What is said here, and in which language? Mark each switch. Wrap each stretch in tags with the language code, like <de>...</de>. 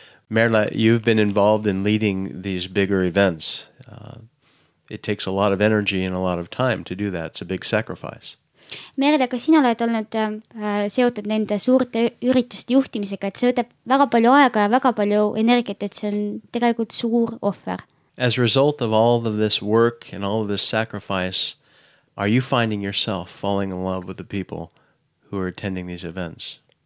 <en>Merle, you've been involved in leading these bigger events. It takes a lot of energy and a lot of time to do that. It's a big sacrifice.</en> <et>Merle, ka sina oled olnud seotud nende suurte ürituste juhtimisega, et see võtab väga palju aega ja väga palju energiat, et see on tegelikult suur offer.</et> <en>As a result of all of this work and all of this sacrifice, are you finding yourself falling in love with the people who are attending these events?</en>